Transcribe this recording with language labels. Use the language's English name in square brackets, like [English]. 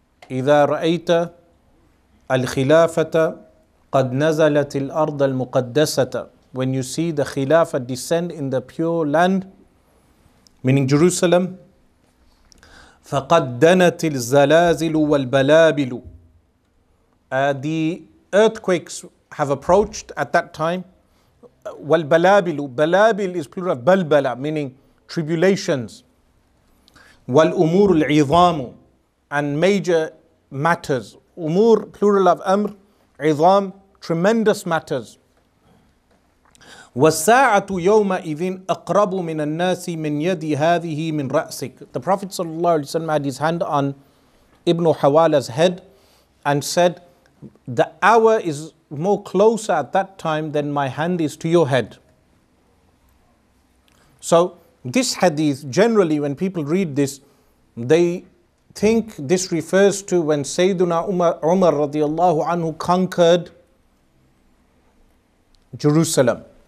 [Arabic] إذا رأيت الخلافة قد نزلت الأرض المقدسة, [English] when you see the Khilafah descend in the pure land, meaning Jerusalem, [Arabic] فقد دنت الزلازل والبلابل, [English] the earthquakes have approached at that time. والبلابل, بلابل is plural of بلبلة, meaning tribulations. [Arabic] والأمور العظام, [English] and major matters. أمور plural of أمر, عظام, tremendous matters. [Arabic] والساعة يومئذ أقرب من الناس من يدي هذه من رأسك. [English] The Prophet صلى الله عليه وسلم had his hand on Ibn Hawala's head and said, the hour is more closer at that time than my hand is to your head. So this hadith, generally when people read this, they think this refers to when Sayyiduna Umar radiallahu anhu conquered Jerusalem.